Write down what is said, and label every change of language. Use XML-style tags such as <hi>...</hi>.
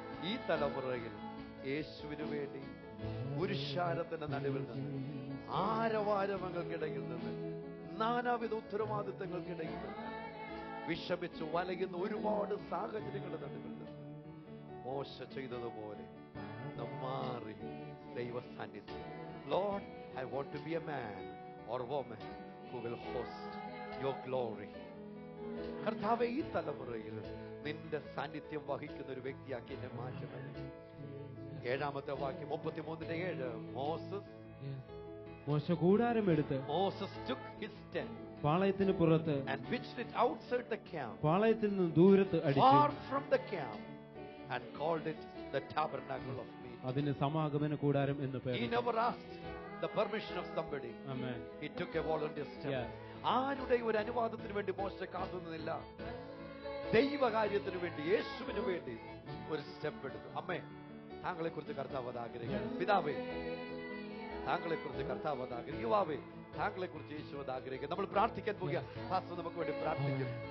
<ml>ഈ തലമുറയിൽ യേശുവിന് വേണ്ടി പുരുഷാരത്തിന്റെ നടുവിൽ നിന്ന് ആരവാരവങ്ങൾക്കിടയിൽ നിന്ന് നാനാവിധ ഉത്തരവാദിത്തങ്ങൾക്കിടയിൽ നിന്ന് വിഷമിച്ചു വലയുന്ന ഒരുപാട് സാഹചര്യങ്ങളുടെ നടുവിൽ മോശ ചെയ്തതുപോലെ മാറി ദൈവ സാന്നിധ്യം.</ml> <en>Lord, I want to be a man or woman who will host your glory.</en> <ml>കർത്താവെ, ഈ തലമുറയിൽ നിന്റെ സാന്നിധ്യം വഹിക്കുന്ന ഒരു വ്യക്തിയാക്കി എന്നെ മാറ്റണം. ഏഴാമത്തെ വാക്യം 33:7, മോശസ് കൂടാരം എടുത്ത്</ml> <en>Moses took his tent</en> <ml>പാളയത്തിന് പുറത്ത്</ml> <en>and pitched it outside the camp</en> <ml>പാളയത്തിൽ നിന്ന് ദൂരത്ത് അടിച്ചു</ml> <en>far from the camp and called it the tabernacle of meeting</en> <ml>അതിന് സമാഗമന കൂടാരം എന്ന് പേര്.</ml> <en>He never asked the permission of somebody. Amen. He took a volunteer step. Yes.</en> <ml>ആരുടെ ഒരു അനുവാദത്തിന് വേണ്ടി മോശ കാത്തുനിന്നില്ല. ദൈവകാര്യത്തിന് വേണ്ടി, യേശുവിന് വേണ്ടി ഒരു സ്റ്റെപ്പ് എടുത്തു. അമ്മേ, താങ്കളെ കുറിച്ച് കർത്താവ് ആഗ്രഹിക്കുന്നു. പിതാവേ, താങ്കളെ കുറിച്ച് കർത്താവ് ആഗ്രഹിക്കുന്നു. യുവാവേ, താങ്കളെ കുറിച്ച് യേശു ആഗ്രഹിക്കുന്നു. നമ്മൾ പ്രാർത്ഥിക്കാൻ പോകുക. പാസ്റ്റർ നമുക്ക് വേണ്ടി പ്രാർത്ഥിക്കും.</ml>